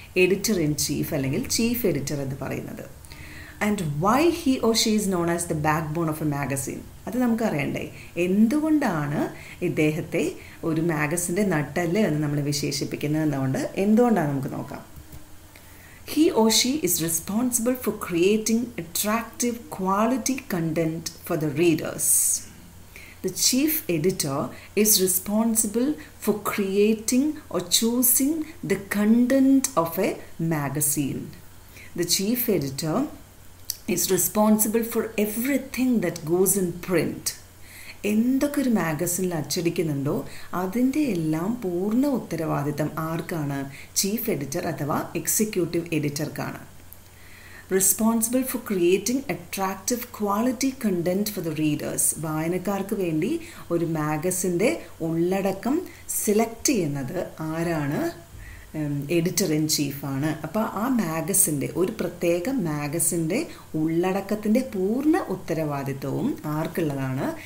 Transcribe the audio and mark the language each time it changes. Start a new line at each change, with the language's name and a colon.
Malayalam: Editor in chief അല്ലെങ്കിൽ chief editor എന്ന് പറയുന്നത്.
English: and why he or she is known as the backbone of a magazine,
Malayalam: അത് നമുക്കറിയണ്ടേ? എന്തുകൊണ്ടാണ് ഇദ്ദേഹത്തെ ഒരു മാഗസിൻ്റെ നട്ടെല്ല് എന്ന് നമ്മൾ വിശേഷിപ്പിക്കുന്നത് എന്നുകൊണ്ട് എന്തുകൊണ്ടാണ് നമുക്ക് നോക്കാം.
English: He or she is responsible for creating attractive quality content for the readers. The chief editor is responsible for creating or choosing the content of a magazine. The chief editor is responsible for everything that goes in print.
Malayalam: എന്തൊക്കെ ഒരു മാഗസിനിൽ അച്ചടിക്കുന്നുണ്ടോ അതിൻ്റെ എല്ലാം പൂർണ്ണ ഉത്തരവാദിത്തം ആർക്കാണ്? Chief editor അഥവാ executive എഡിറ്റർക്കാണ്.
English: Responsible for creating attractive quality content for the readers.
Malayalam: വായനക്കാർക്ക് വേണ്ടി ഒരു മാഗസിൻ്റെ ഉള്ളടക്കം സെലക്ട് ചെയ്യുന്നത് ആരാണ്? Editor in ചീഫാണ്. അപ്പോൾ ആ മാഗസിൻ്റെ, ഒരു പ്രത്യേക മാഗസിൻ്റെ ഉള്ളടക്കത്തിൻ്റെ പൂർണ്ണ ഉത്തരവാദിത്വവും ആർക്കുള്ളതാണ്?